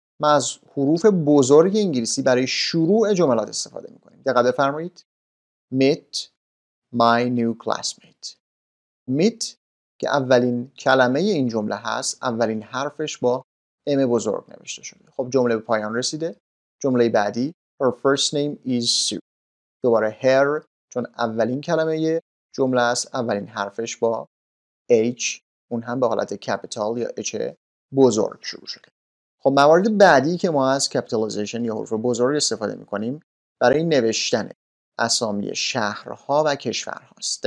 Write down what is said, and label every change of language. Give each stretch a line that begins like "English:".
Persian: ما از حروف بزرگ انگلیسی برای شروع جملات استفاده می‌کنیم. دقت بفرمایید.
English: Meet my new classmate.
Persian: Meet که اولین کلمه این جمله هست، اولین حرفش با ام بزرگ نوشته شده. خب جمله به پایان رسیده. جمله بعدی
English: her first name is Sue.
Persian: دوباره her چون اولین کلمه جمله است، اولین حرفش با h، اون هم به حالت کپیتال یا اچ بزرگ شروع شده. خب موارد بعدی که ما از کپیتالیزیشن یا حروف بزرگ استفاده می‌کنیم برای نوشتن اسامی شهرها و کشورهاست.